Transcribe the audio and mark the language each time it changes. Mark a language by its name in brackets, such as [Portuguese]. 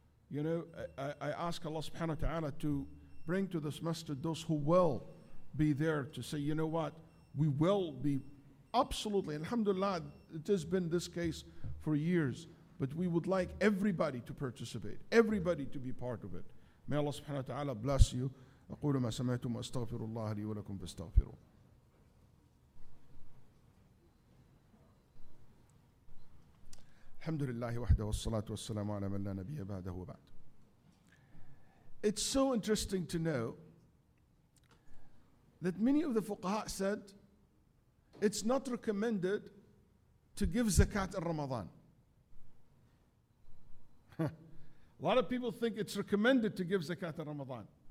[English] You know, I ask Allah subhanahu wa ta'ala to bring to this masjid those who will be there to say, you know what, we will be absolutely, alhamdulillah, it has been this case for years, but we would like everybody to participate, everybody to be part of it. May Allah subhanahu wa ta'ala bless you. [Arabic] أقول ما سمعتم أستغفر الله لي ولكم فاستغفروا. الحمد لله وحده والصلاة والسلام على من لا نبي بعده وبعد. [English] It's so interesting to know that many of the fuqaha said it's not recommended to give zakat in Ramadan. A lot of people think it's recommended to give zakat in Ramadan.